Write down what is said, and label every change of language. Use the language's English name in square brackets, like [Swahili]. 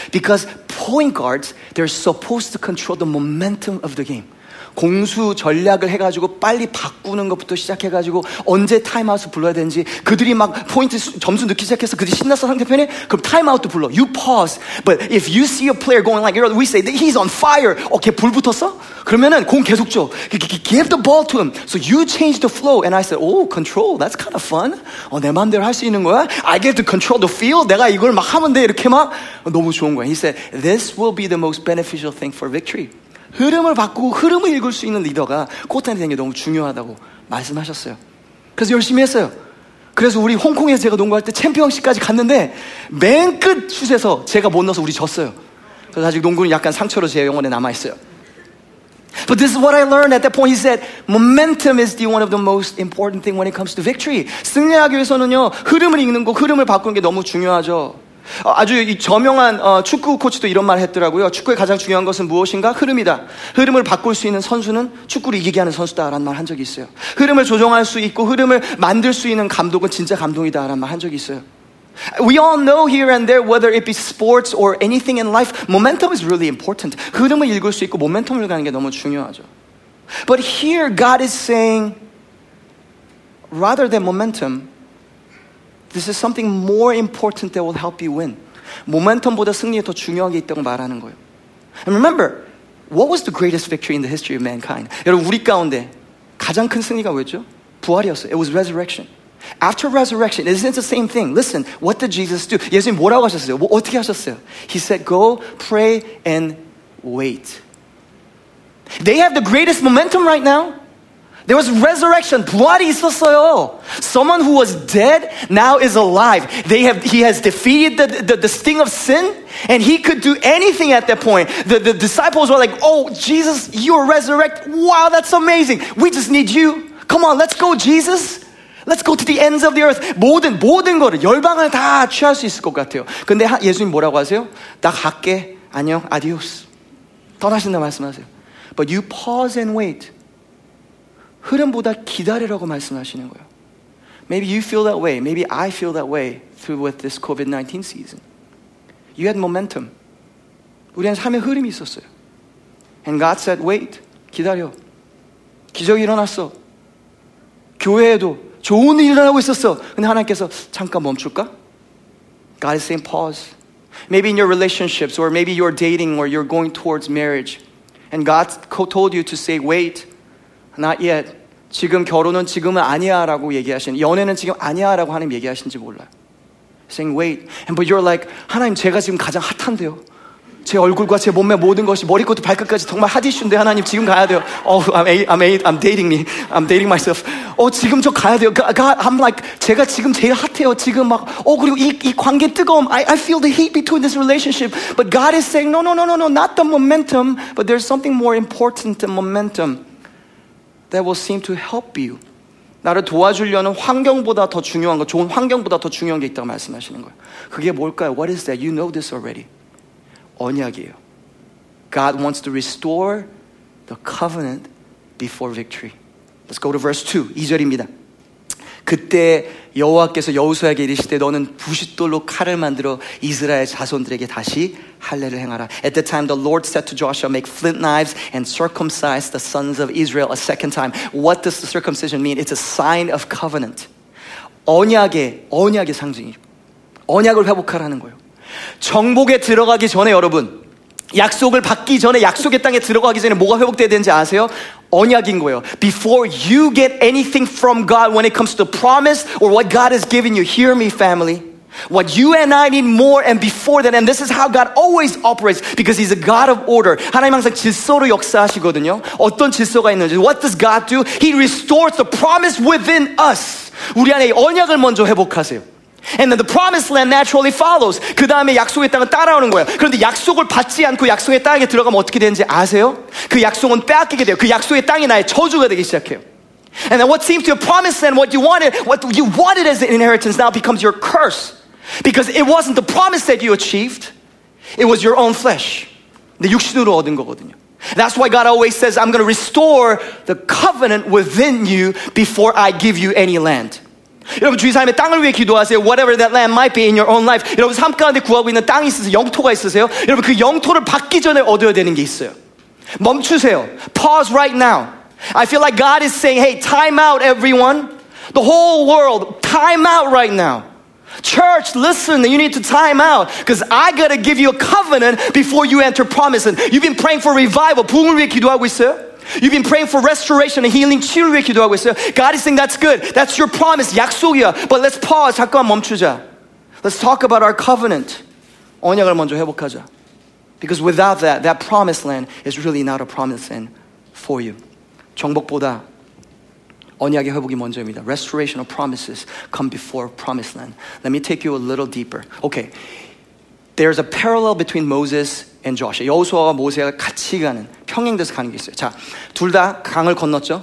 [English] Because point guards, they're supposed to control the momentum of the game. [Korean] 공수 전략을 해가지고 빨리 바꾸는 것부터 시작해가지고 언제 타임아웃을 불러야 되는지 그들이 막 포인트 점수 넣기 시작해서 그들이 신났어 상대편에 그럼 타임아웃도 불러. [English] You pause. But if you see a player going like, you know, we say that he's on fire. [Korean] 오케이, 불 붙었어? 그러면은 공 계속 줘. [English] Give the ball to him. So you change the flow. And I said, oh, control. That's kind of fun. [Korean] 내 마음대로 할 수 있는 거야? [English] I get to control the field. [Korean] 내가 이걸 막 하면 돼. 이렇게 막. 너무 좋은 거야. [English] He said, this will be the most beneficial thing for victory. [Korean] 흐름을 바꾸고 흐름을 읽을 수 있는 리더가 코트에 대한 게 너무 중요하다고 말씀하셨어요. 그래서 열심히 했어요. 그래서 우리 홍콩에서 제가 농구할 때 챔피언십까지 갔는데 맨 끝 슛에서 제가 못 넣어서 우리 졌어요. 그래서 아직 농구는 약간 상처로 제 영혼에 남아있어요. [English] But this is what I learned at that point. He said, momentum is the one of the most important thing when it comes to victory. [Korean] 승리하기 위해서는요, 흐름을 읽는 거, 흐름을 바꾸는 게 너무 중요하죠. 아주 저명한 축구 코치도 이런 말을 했더라고요. 축구의 가장 중요한 것은 무엇인가? 흐름이다. 흐름을 바꿀 수 있는 선수는 축구를 이기게 하는 선수다라는 말 한 적이 있어요. 흐름을 조정할 수 있고 흐름을 만들 수 있는 감독은 진짜 감독이다라는 말 한 적이 있어요. [English] We all know here and there, whether it be sports or anything in life, momentum is really important. [Korean] 흐름을 읽을 수 있고 모멘텀을 가는 게 너무 중요하죠. [English] But here God is saying, rather than momentum, this is something more important that will help you win. [Korean] 모멘텀보다 승리에 더 중요한 게 있다고 말하는 거예요. [English] And remember, what was the greatest victory in the history of mankind? [Korean] 여러분, 우리 가운데 가장 큰 승리가 뭐였죠? 부활이었어요. [English] It was resurrection. After resurrection, isn't it the same thing? Listen, what did Jesus do? [Korean] 예수님 뭐라고 하셨어요? 뭐 어떻게 하셨어요? [English] He said, go, pray, and wait. They have the greatest momentum right now. There was resurrection. [Korean] 부활이 있었어요. [English] Someone who was dead now is alive. He has defeated the sting of sin, and he could do anything at that point. The disciples were like, oh, Jesus, you're resurrected. Wow, that's amazing. We just need you. Come on, let's go, Jesus. Let's go to the ends of the earth. [Korean] 모든 거를 열방을 다 취할 수 있을 것 같아요. 근데 예수님 뭐라고 하세요? 나 갈게. 안녕. 아디오스. 떠나신다 말씀하세요. [English] But you pause and wait. [Korean] 흐름보다 기다리라고 말씀하시는 거예요. [English] Maybe you feel that way. Maybe I feel that way through with this COVID-19 season. You had momentum. [Korean] 우리는 삶의 흐름이 있었어요. [English] And God said, wait. [Korean] 기다려. 기적이 일어났어. 교회에도 좋은 일이 일어나고 있었어. 근데 하나님께서 잠깐 멈출까? [English] God is saying pause. Maybe in your relationships or maybe you're dating or you're going towards marriage. And God told you to say wait. Not yet. [Korean] 지금 결혼은 지금은 아니야 라고 얘기하신 연애는 지금 아니야 라고 하나님 얘기하신지 몰라요. [English] Saying wait. And but you're like [Korean] 하나님 제가 지금 가장 핫한데요. 제 얼굴과 제 몸매 모든 것이 머리끝도 발끝까지 정말 핫 이슈인데 하나님 지금 가야 돼요. [English] Oh, I'm dating myself. [Korean] 어, 지금 저 가야 돼요. [English] God, I'm like, [Korean] 제가 지금 제일 핫해요. 지금 막, 어, 그리고 이 관계 뜨거움. [English] I feel the heat between this relationship. But God is saying, no, not the momentum, but there's something more important than momentum that will seem to help you. [Korean] 나를 도와주려는 환경보다 더 중요한 거, 좋은 환경보다 더 중요한 게 있다고 말씀하시는 거예요. 그게 뭘까요? [English] What is that? You know this already. [Korean] 언약이에요. [English] God wants to restore the covenant before victory. Let's go to verse 2. [Korean] 2절입니다. 그때 여호와께서 여호수아에게 이르시되 너는 부싯돌로 칼을 만들어 이스라엘 자손들에게 다시 할례를 행하라. [English] At the time the Lord said to Joshua, make flint knives and circumcise the sons of Israel a second time. What does the circumcision mean? It's a sign of covenant. [Korean] 언약의 상징이죠. 언약을 회복하라는 거예요. 정복에 들어가기 전에 여러분 약속을 받기 전에 약속의 땅에 들어가기 전에 뭐가 회복돼야 되는지 아세요? 언약인 거예요. [English] Before you get anything from God when it comes to the promise or what God has given you, hear me family, what you and I need more and before that, and this is how God always operates because he's a God of order. [Korean] 하나님 항상 질서로 역사하시거든요. 어떤 질서가 있는지. [English] What does God do? He restores the promise within us. [Korean] 우리 안에 언약을 먼저 회복하세요. [English] And then the promised land naturally follows. [Korean] 그 다음에 약속의 땅은 따라오는 거예요. 그런데 약속을 받지 않고 약속의 땅에 들어가면 어떻게 되는지 아세요? 그 약속은 빼앗기게 돼요. 그 약속의 땅이 나의 저주가 되기 시작해요. [English] And then what seems to be a promised land, what you wanted as an inheritance now becomes your curse. Because it wasn't the promise that you achieved. It was your own flesh. [Korean] 내 육신으로 얻은 거거든요. [English] That's why God always says, I'm going to restore the covenant within you before I give you any land. [Korean] 여러분 주의 삶의 땅을 위해 기도하세요. [English] Whatever that land might be in your own life. [Korean] 여러분 삶 가운데 구하고 있는 땅이 있으세요. 영토가 있으세요. 여러분 그 영토를 받기 전에 얻어야 되는 게 있어요. 멈추세요. [English] Pause right now. I feel like God is saying, hey, time out everyone. The whole world, time out right now. Church, listen, you need to time out because I got to give you a covenant before you enter promise. You've been praying for revival. [Korean] 부흥을 위해 기도하고 있어요. [English] You've been praying for restoration and healing, [Korean] 치유를 위해 기도하고 있어요. [English] God is saying that's good. That's your promise. [Korean] 약속이야. [English] But let's pause. [Korean] 잠깐 멈추자. [English] Let's talk about our covenant. [Korean] 언약을 먼저 회복하자. [English] Because without that, that promised land is really not a promised land for you. [Korean] 정복보다 언약의 회복이 먼저입니다. [English] Restoration of promises come before promised land. Let me take you a little deeper. Okay. There's a parallel between Moses and Joshua. [Korean] 여호수아와 모세가 같이 가는 평행돼서 가는 게 있어요. 자, 둘 다 강을 건넜죠.